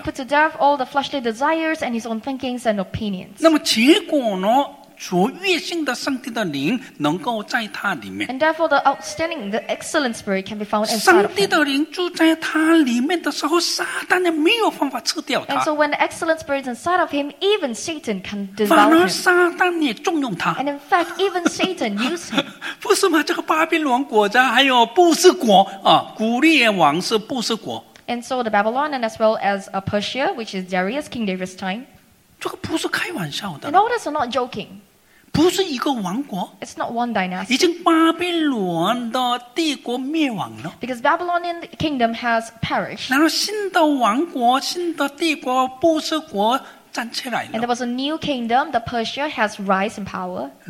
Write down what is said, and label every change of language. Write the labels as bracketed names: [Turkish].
[English] He put to death all the fleshly desires and his own thinkings and opinions. [Chinese] 那么结果呢? 卓越性的上帝的灵能够在他里面。 [English] And therefore the outstanding, the excellent spirit can be found inside of him. [Chinese] 上帝的灵住在他里面的时候，撒旦也没有方法吃掉他。 [English] And so when the excellent spirit is inside of him, even Satan can devour him. [Chinese] 反而撒旦也重用他。 [English] And in fact, even Satan used him. [Chinese] 不是吗？这个巴比伦国家还有布什国，古列王是布什国。 [English] And so the Babylon and as well as Persia, which is Darius, King David's time. [Chinese] 这个不是开玩笑的。 [English] And all this are not joking. [Chinese] 不是一个王国, [English] it's not one dynasty. [Chinese] 已经巴比伦的帝国灭亡了, [English] because Babylonian kingdom has perished. [Chinese] 然后新的王国,新的帝国,布什国站起来了, [English] and there was a new kingdom, the Persia has rise in power.